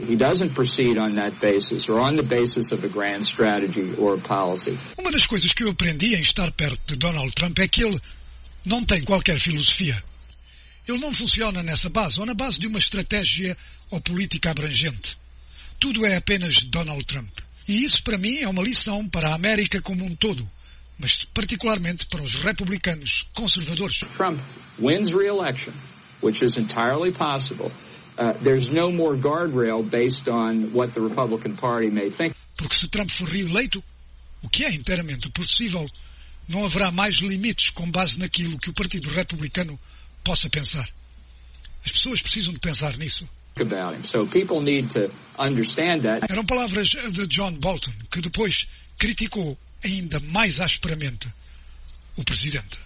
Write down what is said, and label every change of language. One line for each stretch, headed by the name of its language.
English: He doesn't proceed on that basis or on the basis of a grand strategy or a policy.
Portuguese: Uma das coisas que eu aprendi em estar perto de Donald Trump é que ele não tem qualquer filosofia. Ele não funciona nessa base ou na base de uma estratégia ou política abrangente. Tudo é apenas Donald Trump. E isso para mim é uma lição para a América como um todo, mas particularmente para os republicanos conservadores.
English: Trump wins re-election, which is entirely possible. There's no more guardrail based on what the Republican Party may think.
Portuguese: Porque se Trump for reeleito, o que é inteiramente possível, não haverá mais limites com base naquilo que o Partido Republicano possa pensar. As pessoas precisam de pensar nisso.
English: So people need to understand that.
Portuguese: Eram palavras de John Bolton, que depois criticou ainda mais asperamente o presidente.